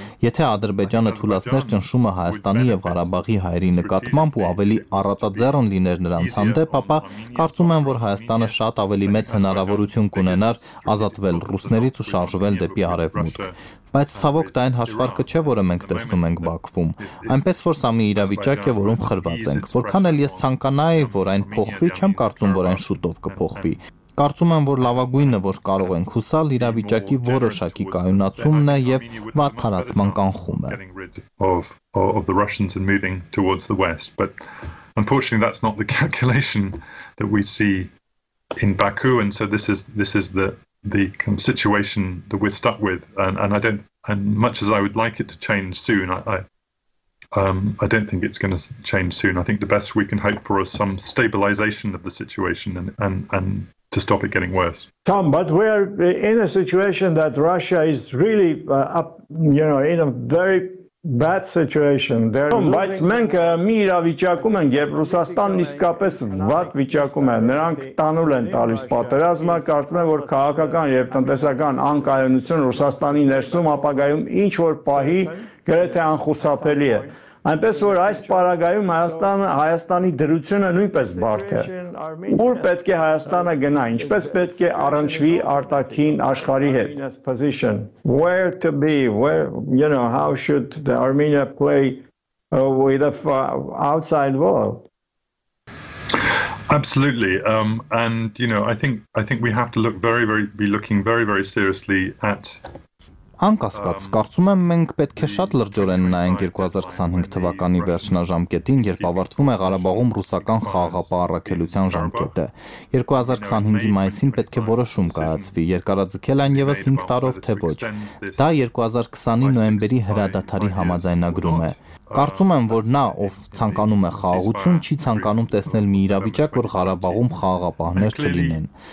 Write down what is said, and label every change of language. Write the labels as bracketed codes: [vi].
[hy] Եթե Ադրբեջանը թույլատներ ճնշումը Հայաստանի եւ Ղարաբաղի հայերի նկատմամբ ու ավելի առատաձեռն լիներ նրանց հանդեպ, ապա կարծում եմ, որ Հայաստանը շատ ավելի մեծ հնարավորություն կունենար ազատվել ռուսներից ու շարժվել դեպի արևմուտք։ Բայց ցավոք դա այն հաշվարկը չէ, որը մենք տեսնում ենք Բաքվում։ Այնպես որ սա մի իրավիճակ է, որում խրված ենք։ Որքան էլ ես ցանկանայի, որ այն փոխվի, չեմ կարծում, որ այն շուտով կփոխվի։ Կարծում եմ, որ լավագույնը, որ կարող ենք հուսալ, իրավիճակի որոշակի կայունացումն է եւ վատթարացման կանխումը։ [en] Of the Russians and moving towards the west, but unfortunately that's not the calculation that we see in Baku, and so this is the situation that we're stuck with, and I don't, and much as I would like it to change soon, I don't think it's going to change soon. I think the best we can hope for is some stabilization of the situation and to stop it getting worse. Tom, but we are in a situation that Russia is really up, you know, in a very bad situation. They're losing. [hy] Բայց մենք մի իրավիճակում ենք, երբ Ռուսաստանն իսկապես վատ վիճակում է։ Նրանք տանուլ են տալիս պատերազմը, կարծում եմ, որ քաղաքական եւ տնտեսական անկայունություն Ռուսաստանի ներսում ապագայում ինչ որ պահի գրեթե անխուսափելի է։ Այնպես որ այս պարագայում Հայաստանի դրությունը նույնպես բարդ է։ Ո՞ր պետք է Հայաստանը գնա, ինչպես պետք է առնչվի արտաքին աշխարհի հետ։ [en] Where to be, where, you know, how should the Armenia play with the outside world? Absolutely. And you know, I think we have to look be looking very seriously at [hy] Անկասկած, կարծում եմ, մենք պետք է շատ լրջորեն նայենք 2025 թվականի վերջնաժամկետին, երբ ավարտվում է Ղարաբաղում ռուսական խաղաղապահ առաքելության ժամկետը։ 2025-ի մայիսին պետք է որոշում կայացվի, երկարաձգել այն եւս 5 տարով թե ոչ։ Դա 2020-ի նոյեմբերի հրադադարի համաձայնագրում է։ Կարծում եմ, որ նա, ով ցանկանում է խաղաղություն, չի ցանկանում տեսնել մի իրավիճակ, որ Ղարաբաղում խաղաղապահներ չլինեն։